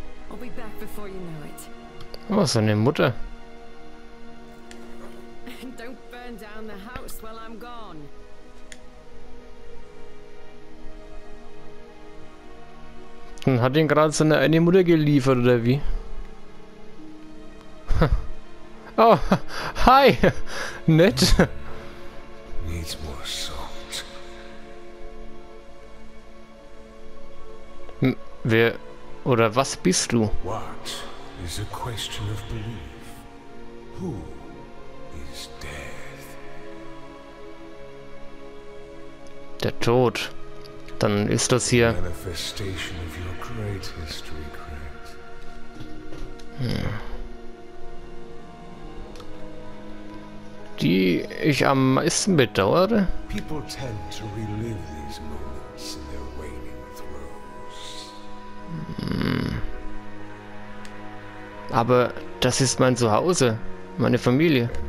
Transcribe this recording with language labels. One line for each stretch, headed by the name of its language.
English: I'll be back before you know it.
German: Oh, seine Mutter.
English: Don't burn down the house while I'm gone.
German: Dann hat ihn gerade seine eine Mutter geliefert, oder wie? Oh, hi! Nett!
English: Needs more salt.
German: Wer oder was bist du?
English: What is a question of belief? Who is death?
German: Der Tod. Dann ist das hier.
English: Manifestation of your greatest regret.
German: Die ich am meisten bedauere.
English: People tend to relive these moments in their waning throes.
German: Aber das ist mein Zuhause, meine Familie.